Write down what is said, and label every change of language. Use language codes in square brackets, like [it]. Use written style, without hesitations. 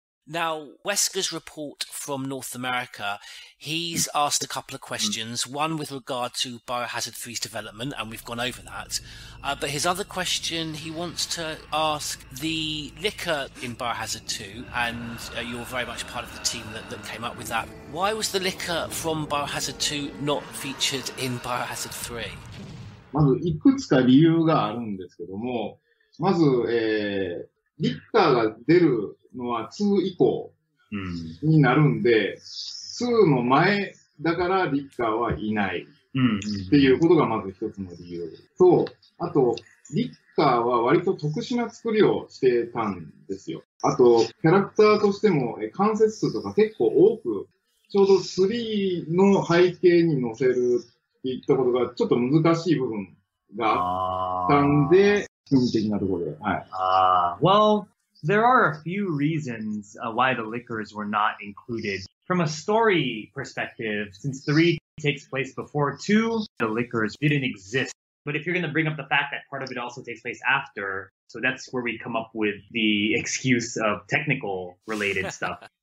[en] Now, Wesker's report from North America, he's asked a couple of questions, one with regard to Biohazard 3's development, and we've gone over that. But his other question, he wants to ask the liquor in Biohazard 2, and you're very much part of the team that came up with that. Why was the liquor from Biohazard 2 not featured in Biohazard 3? [ja] まずいくつか理由があるんですけども、まず、リッカーが出るのは2以降になるんで、2の前だからリッカーはいないっていうことがまず一つの理由と、あと、リッカーは割と特殊な作りをしてたんですよ。あと、キャラクターとしても関節数とか結構多く、ちょうど3の背景に乗せるっていったことがちょっと難しい部分があったんで、 [en] Well, there are a few reasons why the liquors were not included. From a story perspective, since 3 takes place before 2, the liquors didn't exist. But if you're going to bring up the fact that part of it also takes place after, so that's where we come up with the excuse of technical related stuff.